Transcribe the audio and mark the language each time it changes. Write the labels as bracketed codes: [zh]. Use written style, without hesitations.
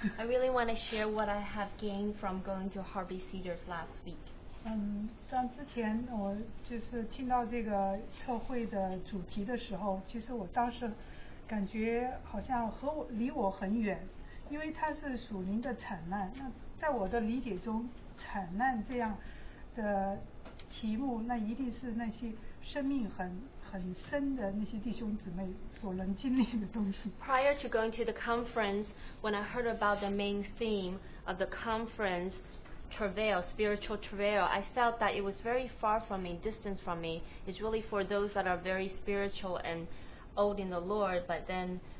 [en] I really want to share what I have gained from going to Harvey Cedars last week. [zh] 像之前我就是听到这个特会的主题的时候，其实我当时感觉好像和我离我很远，因为它是属灵的惨难。那在我的理解中，惨难这样的题目，那一定是那些生命很深的那些弟兄姊妹所能经历的东西。 [en] Prior to going to the conference, when I heard about the main theme of the conference, travail, spiritual travail. I felt that it was very far from me, distant from me. It's really for those that are very spiritual and old in the Lord, but then...